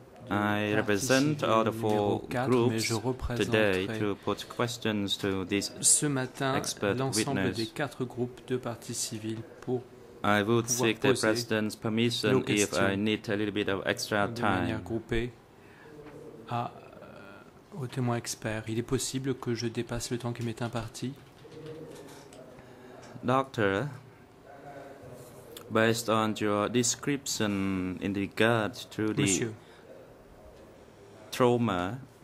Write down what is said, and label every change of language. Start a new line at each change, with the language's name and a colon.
English: I represent all the four groups today to put questions to this expert witness.
French: Des quatre groupes de partis civils pour
English: I would seek the President's permission if I need a little bit of extra time.
French: Au témoin expert, il est possible que je dépasse le temps qui m'est imparti.
English: Doctor, based on your description in regard to the trauma,